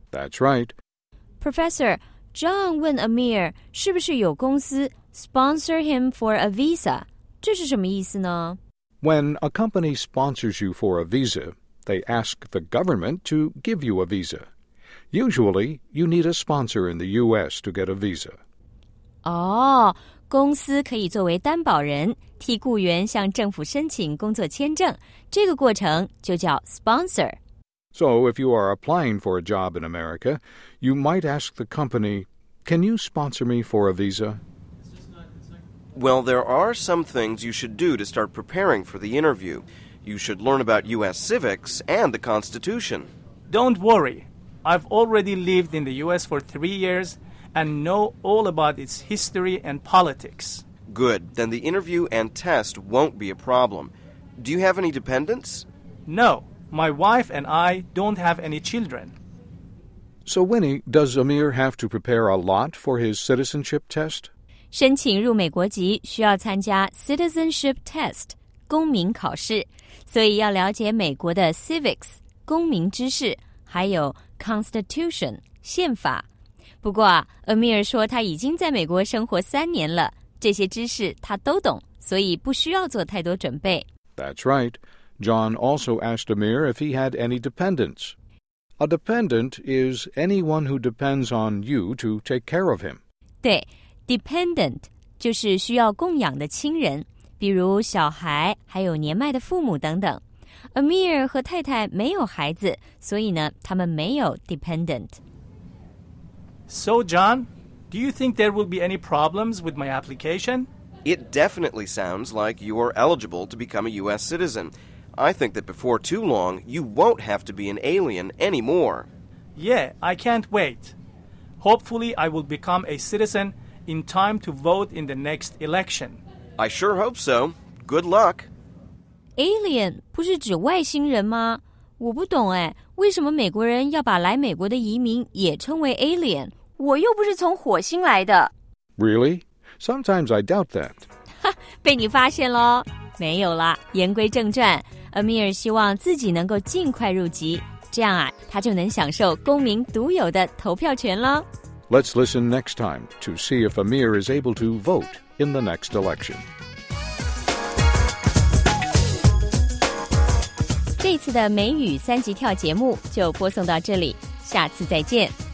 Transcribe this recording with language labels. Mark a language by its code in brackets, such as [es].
[en] That's right. [zh] Professor, John 问 Amir 是不是有公司 [en] sponsor him for a visa? [zh] 这是什么意思呢 [en] ?When a company sponsors you for a visa, they ask the government to give you a visa. Usually, you need a sponsor in the U.S. to get a visa. [zh] 哦、公司可以作为担保人替雇员向政府申请工作签证，这个过程就叫 sponsor。 [en] So if you are applying for a job in America, you might ask the company, "Can you sponsor me for a visa?" Well, there are some things you should do to start preparing for the interview. You should learn about U.S. civics and the Constitution. Don't worry, I've already lived in the U.S. for 3 years. And know all about its history and politics. Good. Then the interview and test won't be a problem. Do you have any dependents? No. My wife and I don't have any children. So Winnie, does Amir have to prepare a lot for his citizenship test? [zh] 申请入美国籍需要参加 citizenship test, 公民考试。所以要了解美国的 civics, 公民知识,还有 constitution, 宪法。不过啊 ,Amir 说他已经在美国生活3年了，这些知识他都懂，所以不需要做太多准备。 [en] That's right. John also asked Amir if he had any dependents. A dependent is anyone who depends on you to take care of him. [zh] 对 ,dependent 就是需要供养的亲人，比如小孩，还有年迈的父母等等。 Amir 和太太没有孩子，所以呢，他们没有 dependent。 [en] So, John, do you think there will be any problems with my application? It definitely sounds like you are eligible to become a U.S. citizen. I think that before too long, you won't have to be an alien anymore. Yeah, I can't wait. Hopefully, I will become a citizen in time to vote in the next election. I sure hope so. Good luck. [zh] Alien 不是指外星人吗？我不懂哎，为什么美国人要把来美国的移民也称为 alien？我又不是从火星来的。 [en] Really? Sometimes I doubt that. [zh] 哈，被你发现喽。没有啦，言归正传 ，Amir 希望自己能够尽快入籍，这样啊，他就能享受公民独有的投票权了。 [en] Let's listen next time to see if Amir is able to vote in the next election. [zh] 这次的美语三级跳节目就播送到这里，下次再见。